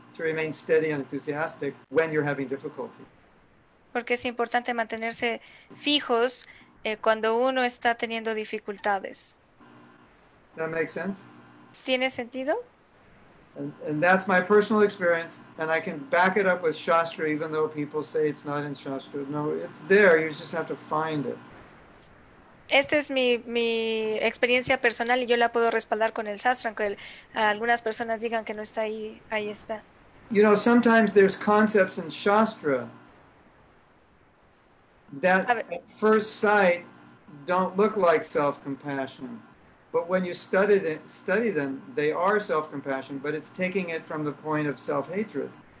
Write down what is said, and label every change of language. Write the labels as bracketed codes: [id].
[en] To remain steady and enthusiastic when you're having difficulty. [es] Porque es importante mantenerse fijos cuando uno está teniendo dificultades. [en] That makes sense? [es] ¿Tiene sentido? [en] And that's my personal experience, and I can back it up with Shastra, even though people say it's not in Shastra. No, it's there, you just have to find it. [es] Esta es mi experiencia personal y yo la puedo respaldar con el Shastra, aunque algunas personas digan que no está ahí, ahí está. [en] You know, sometimes there's concepts in Shastra that at first sight don't look like self-compassion. But when you study them, they are self-compassion, but it's taking it from the point of self-hatred.